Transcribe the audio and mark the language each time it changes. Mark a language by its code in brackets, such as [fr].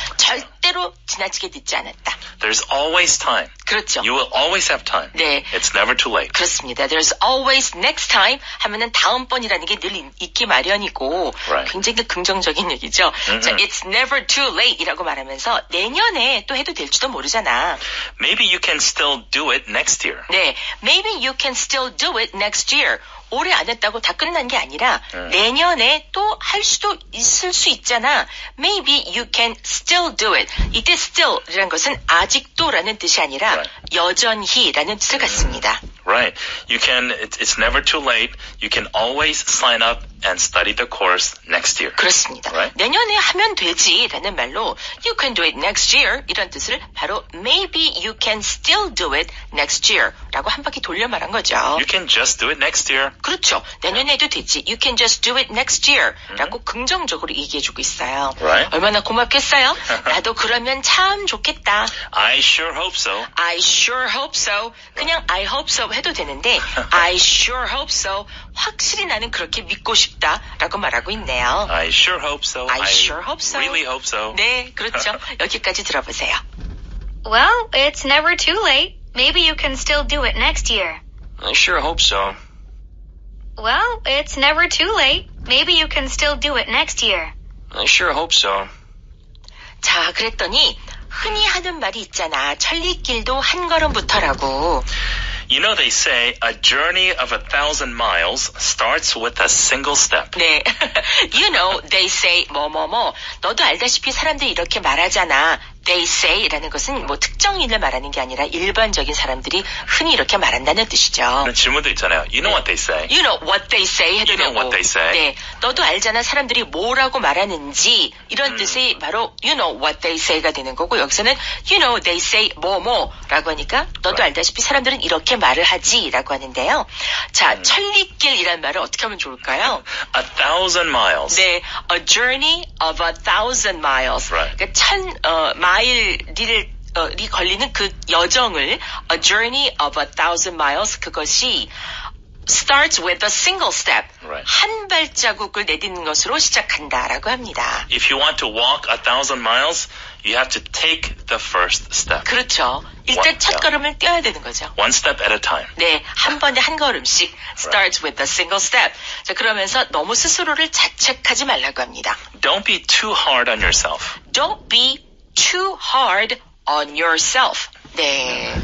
[ko] 절대로 지나치게 늦지 않았다. [en] There's always time. [ko] 그렇죠. [en] You will always have time. [ko] 네. [en] It's never too late. [ko] 그렇습니다. [en] There's always next time [ko] 하면은 다음번이라는 게 늘 있기 마련이고 [en] right. [ko] 굉장히 긍정적인 얘기죠. Mm-hmm. 자, [en] it's never too late [ko] 이라고 말하면서 내년에 또 해도 될지도 모르잖아. [en] Maybe you can still do it next year. [ko] 네. [en] Maybe you can still do it next year. [ko] 올해 안 했다고 다 끝난 게 아니라 내년에 또 할 수도 있을 수 있잖아. [en] Maybe you can still do it. [ko] 이때 still이라는 것은 아직도라는 뜻이 아니라 [en] right. [ko] 여전히라는 뜻을 갖습니다. [en] Right. You can, it's never too late. You can always sign up and study the course next year. [ko] 그렇습니다. [en] Right? [ko] 내년에 하면 되지라는 말로 [en] you can do it next year [ko] 이런 뜻을 바로 [en] maybe you can still do it next year [ko] 라고 한 바퀴 돌려 말한 거죠. [en] You can just do it next year. [ko] 그렇죠. 내년에도 되지. [en] You can just do it next year [ko] 라고 긍정적으로 얘기해 주고 있어요. [en] Right? [ko] 얼마나 고맙겠어요? 나도 그러면 참 좋겠다. [en] I sure hope so. I sure hope so. [ko] 그냥 [en] I hope so [ko] 해도 되는데 [en] I sure hope so. [ko] 확실히 나는 그렇게 믿고 싶다라고 말하고 있네요. [en] I sure hope so. I sure hope so. Really hope so. [ko] 네, 그렇죠. 여기까지 들어보세요. [en] Well, it's never too late. Maybe you can still do it next year. I sure hope so. Well, it's never too late. Maybe you can still do it next year. I sure hope so. [ko] 자, 그랬더니 흔히 하는 말이 있잖아. 천리길도 한 걸음부터라고. [en] You know, they say a journey of 1,000 miles starts with a single step. 네. You know, they say, 뭐뭐뭐. [ko] 너도 알다시피 사람들이 이렇게 말하잖아. They say라는 것은 뭐 특정인을 말하는 게 아니라 일반적인 사람들이 흔히 이렇게 말한다는 뜻이죠. 질문도 있잖아요. [en] You know what they say. You know what they say. You know what they say. [ko] 네. 너도 알잖아 사람들이 뭐라고 말하는지 이런 뜻이 바로 [en] you know what they say [ko] 가 되는 거고 여기서는 [en] you know they say [ko] 뭐뭐라고 하니까 너도 [en] right. [ko] 알다시피 사람들은 이렇게 말을 하지라고 하는데요. 자, 천리길이라는 말을 어떻게 하면 좋을까요? [en] A thousand miles. 네. A journey of 1,000 miles. Right. [ko] 그러니까 마일이 걸리는 그 여정을 [en] a journey of 1,000 miles [ko] 그것이 [en] starts with a single step right. [ko] 한 발자국을 내딛는 것으로 시작한다라고 합니다. [en] If you want to walk 1,000 miles, you have to take the first step. [ko] 그렇죠. 일단 첫 걸음을 뛰어야 되는 거죠. [en] One step at a time. [ko] 네, 한 번에 한 걸음씩 [en] starts right. with a single step. [ko] 자, 그러면서 너무 스스로를 자책하지 말라고 합니다. [en] Don't be too hard on yourself. Don't be too hard on yourself. 네.